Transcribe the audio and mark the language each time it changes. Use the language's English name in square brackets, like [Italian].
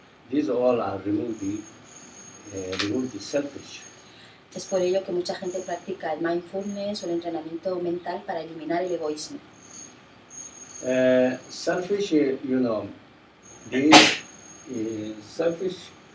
[English] These all are remove the selfish. [Spanish] Es por ello que mucha gente practica el mindfulness o el entrenamiento mental para eliminar el egoísmo. [English] Selfish, you know, this selfish.